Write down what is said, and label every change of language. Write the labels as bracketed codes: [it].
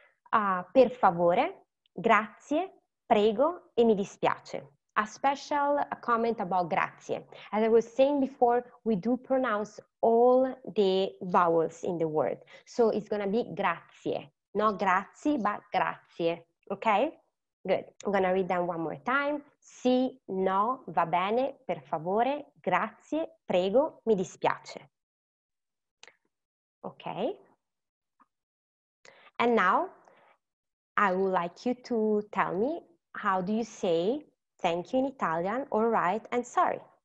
[it] Per favore, grazie, prego, e mi dispiace. [en] A special comment about grazie. As I was saying before, we do pronounce all the vowels in the word. So it's going to be grazie. Not grazie, but grazie. Okay? Good. I'm going to read them one more time. [it] Sì, no, va bene, per favore, grazie, prego, mi dispiace. [en] Okay, and now I would like you to tell me, how do you say thank you in Italian, all right, and sorry?